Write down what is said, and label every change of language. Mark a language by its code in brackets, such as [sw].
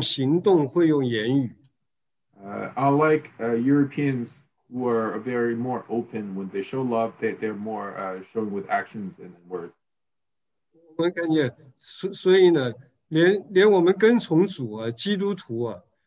[zh] 不像欧洲或中东啊，他们呢，比较热情一点，他们表示爱呢，有时候会用行动，会用言语。 [en] Unlike Europeans who are very more open when they show love, they're more showing with actions and words. [zh] 我们感觉，所以呢，连我们跟从主啊，基督徒啊。